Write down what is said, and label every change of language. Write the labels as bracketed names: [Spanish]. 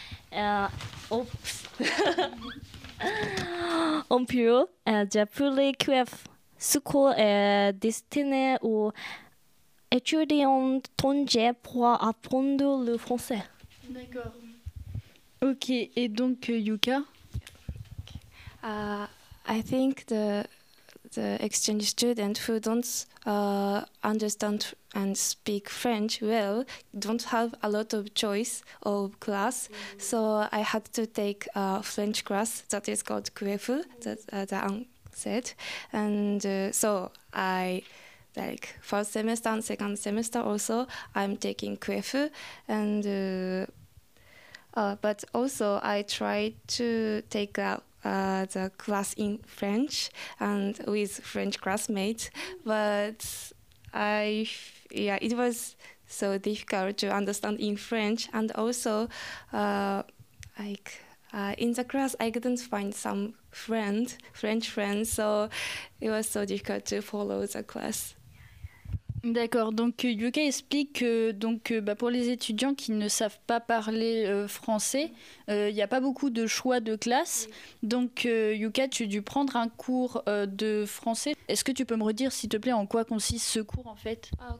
[French] En plus, j'ai pu les QF. Ce cours est destiné aux étudiants étrangers pour apprendre le français. D'accord. Ok, et donc, Yuka? [English] I think the exchange students who don't understand and speak French well don't have a lot of choice of class. So I had to take a French class that is called QFU, that Anne said. And so I like first semester and second semester also I'm taking QFU, and but also I tried to take a the class in French and with French classmates, but it was so difficult to understand in French, and also like In the class, I couldn't find some French friends, so it was so difficult to follow the class. [French] D'accord, donc Yuka explique que donc, bah, pour les étudiants qui ne savent pas parler français, il n'y a pas beaucoup de choix de classe. Oui. Donc Yuka, tu as dû prendre un cours de français. Est-ce que tu peux me redire, s'il te plaît, en quoi consiste ce cours en fait?